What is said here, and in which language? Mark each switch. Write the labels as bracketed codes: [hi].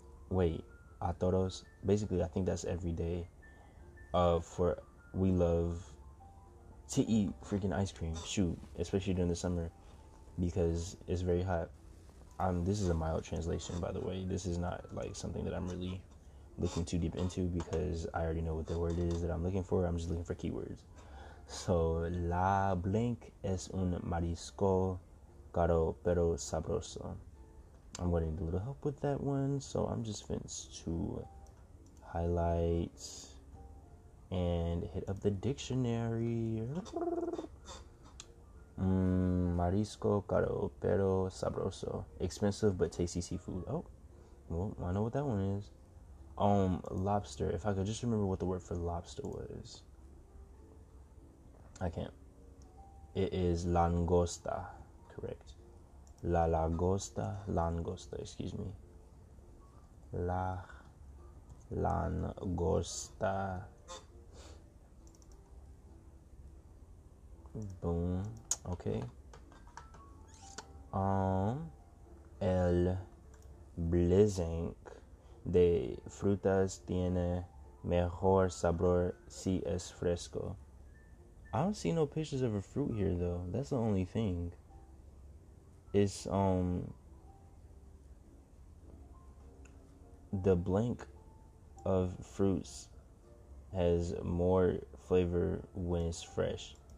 [en] Wait, a todos, basically, I think that's every day, for, we love to eat freaking ice cream, shoot, especially during the summer, because it's very hot. This is a mild translation, by the way. This is not, like, something that I'm really looking too deep into because I already know what the word is that I'm looking for. I'm just looking for keywords. [es] So, la blanc es un marisco caro pero sabroso. [en] I'm going to need a little help with that one. So, I'm just going to highlight and hit up the dictionary. [es] Marisco caro pero sabroso. [en] Expensive but tasty seafood. Oh, Well, I know what that one is. Lobster. If I could just remember what the word for lobster was. I can't. It is langosta. Correct. [es] La langosta. Langosta. [en] Excuse me. [es] La langosta. [en] Boom. Okay. [es] El blizzink de frutas tiene mejor sabor si es fresco. [en] I don't see no pictures of a fruit here, though. That's the only thing. It's, the blank of fruits has more flavor when it's fresh.